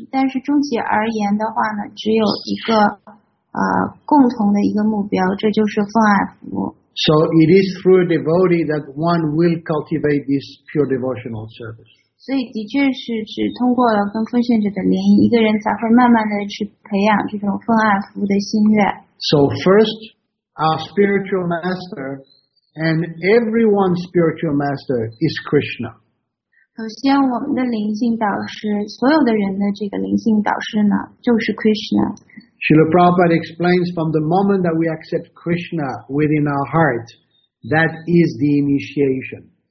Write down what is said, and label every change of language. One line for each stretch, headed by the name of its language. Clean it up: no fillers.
Chinese: 但是终极而言的话呢，只有一个共同的一个目标，这就是奉爱服务。
English: So it is through a devotee that one will cultivate this pure devotional service.
Chinese: 所以的确是只通过了跟奉献者的联谊，一个人才会慢慢的去培养这种奉爱服务的心愿。
English: So first, our spiritual master and everyone's spiritual master is Krishna.
Chinese: 首先，我们的灵性导师，所有的人的这个灵性导师呢，就是 Krishna.
English: Srila Prabhupada explains from the moment that we accept Krishna within our heart, that is the initiation.